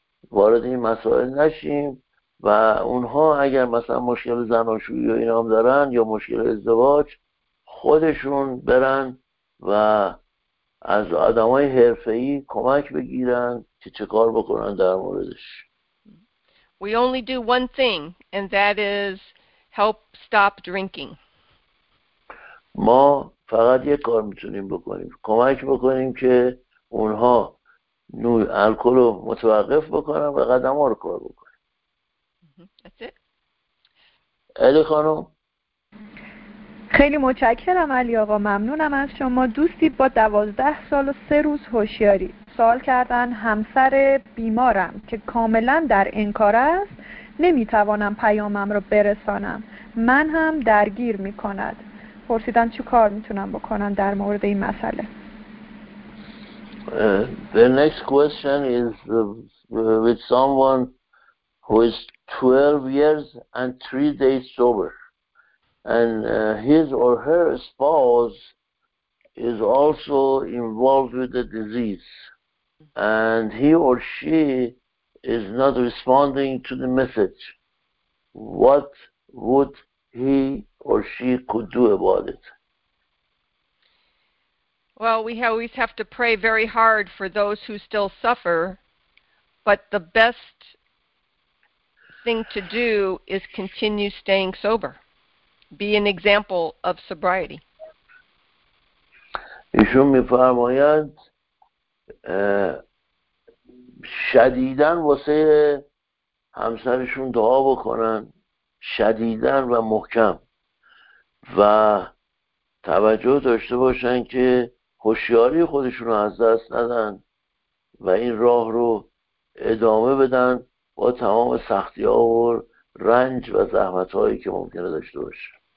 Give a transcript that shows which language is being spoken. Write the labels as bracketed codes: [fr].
[fa] وارد این مسائل نشیم، و اونها اگر مثلا مشکل زناشویی و اینا هم دارن یا مشکل ازدواج، خودشون برن و از آدمای حرفه‌ای کمک بگیرن که چه کار بکنن در موردش. [en] We only do one thing and that is help stop drinking. [fa] ما فقط یک کار میتونیم بکنیم، کمک بکنیم که اونها نوعی الکل رو متوقف بکنن و قدم ها رو کار بکنن. [en] That's it. [fa] علی خانم. خیلی متشکرم علی آقا، ممنونم از شما. دوستی با 12 سال و 3 روز هوشیاری سوال کردن، همسر بیمارم که کاملا در انکار است نمیتوانم پیامم رو برسانم، من هم درگیر میکند، پرسیدن چه کار میتونم بکنم در مورد این مسئله. [en] The next question is with someone who is 12 years and 3 days sober, and his or her spouse is also involved with the disease, and he or she is not responding to the message. What would he or she could do about it? Well, we always have to pray very hard for those who still suffer, but the best thing to do is continue staying sober. Be an example of sobriety. [fa] ایشون میفرماید شدیداً واسه همسرشون دعا بکنن، شدیداً و محکم، و توجه داشته باشن که هوشیاری خودشون رو از دست ندن و این راه رو ادامه بدن با تمام سختی ها و رنج و زحمت هایی که ممکنه داشته باشه.